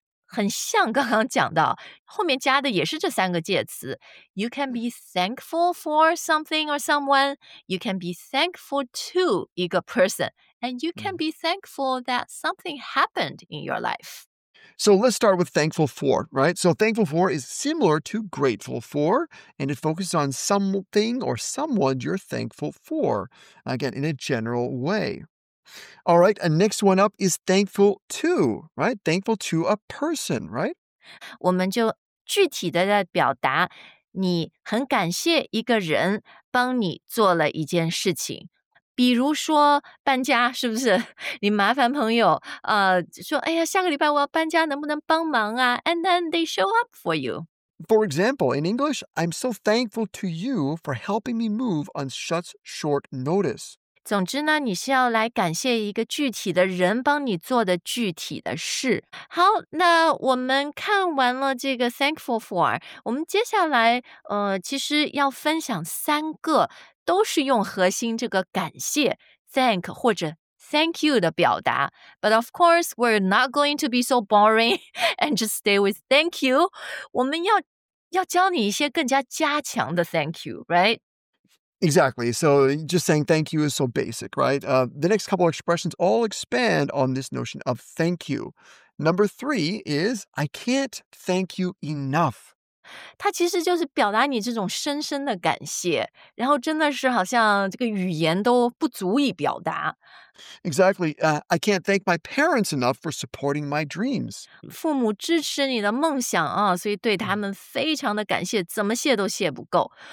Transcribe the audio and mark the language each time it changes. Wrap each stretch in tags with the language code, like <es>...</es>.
<zh>很像刚刚讲到，后面加的也是这三个介词。</zh> <en>You can be thankful for something or someone. You can be thankful to</en> <zh>一个</zh> <en>person. And you can be thankful that something happened in your life. So let's start with thankful for, right? So thankful for is similar to grateful for, and it focuses on something or someone you're thankful for, again, in a general way. All right, and next one up is thankful to, right? Thankful to a person, right?</en> <zh>我们就具体的在表达你很感谢一个人帮你做了一件事情。比如说搬家是不是你麻烦朋友说哎呀下个礼拜我要搬家能不能帮忙啊</zh> <en>And then they show up for you. For example, in English, I'm so thankful to you for helping me move on such short notice.</en> <zh>总之呢你是要来感谢一个具体的人帮你做的具体的事。好那我们看完了这个 thankful for, 我们接下来其实要分享三个都是用核心这个感谢 thank 或者 thank you 的表达</zh> <en>But of course, we're not going to be so boring and just stay with thank you.</en> <zh>我们要教你一些更加加强的 thank you, right?</zh> <en>Exactly. So just saying thank you is so basic, right? The next couple of expressions all expand on this notion of thank you. Number three is, I can't thank you enough.</en> <zh>它其实就是表达你这种深深的感谢，然后真的是好像这个语言都不足以表达。</zh> <en>Exactly. I can't thank my parents enough for supporting my dreams.</en> <zh>父母支持你的梦想啊，所以对他们非常的感谢，怎么谢都谢不够。</zh>